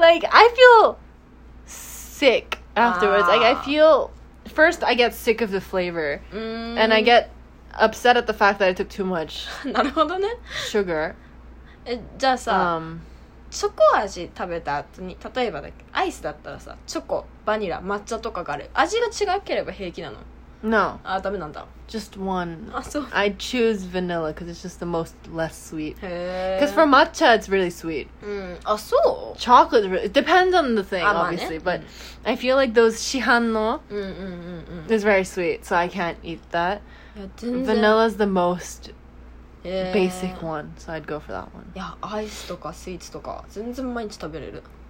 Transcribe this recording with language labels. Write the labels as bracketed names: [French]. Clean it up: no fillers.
[English] Like I feel sick afterwards. Like I feel first I get sick of the flavor, and I get upset at the fact that I took too much. [Japanese] なるほどね。 [English] Sugar. [Japanese] え、じゃあさ、チョコ味食べた後に例えばだアイスだったらさ、チョコ、バニラ、抹茶とかがある。味が違ければ平気なの。 [English] No. [Japanese] Ah, ダメなんだ。 [English] Just one. Ah, so. I choose vanilla because it's just the most less sweet. へえ。 Because for matcha, it's really sweet. うん。Ah, so. Chocolate, it depends on the thing, obviously. [Japanese] まあね。 [English] But I feel like those [Japanese] 市販の、うんうんうんうん、 [English] is very sweet, so I can't eat that. [Japanese] いや、全然。 [English] Vanilla's the most basic one, so I'd go for that one. [Japanese] いや、アイスとかスイーツとか全然毎日食べれる。